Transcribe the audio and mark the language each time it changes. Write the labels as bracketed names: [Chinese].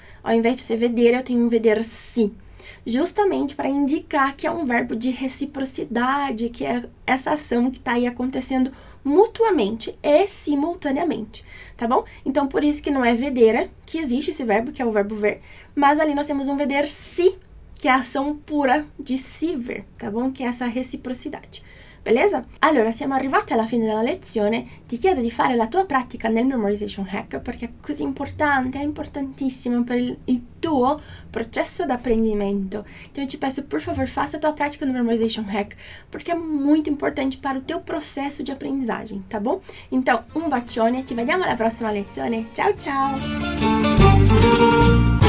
[Portuguese] Ao invés de ser vedere, eu tenho um vedersi. Justamente para indicar que é um verbo de reciprocidade, que é essa ação que está aí acontecendo mutuamente e simultaneamente, tá bom? Então, por isso que não é vedere que existe esse verbo, que é o verbo ver, mas ali nós temos um vedersi, que é a ação pura de se ver, tá bom? Que é essa reciprocidade, beleza? [Italian] Allora, siamo arrivati alla fine della lezione. Ti chiedo di fare la tua pratica nel memorization hack perché è così importante, è importantissimo per il tuo processo d'apprendimento. [Portuguese] Então, eu te peço, por favor, faça a tua prática no memorization hack porque é muito importante para o teu processo de aprendizagem, tá bom? Então, um [Italian] bacione, ci vediamo alla prossima lezione. Ciao, ciao!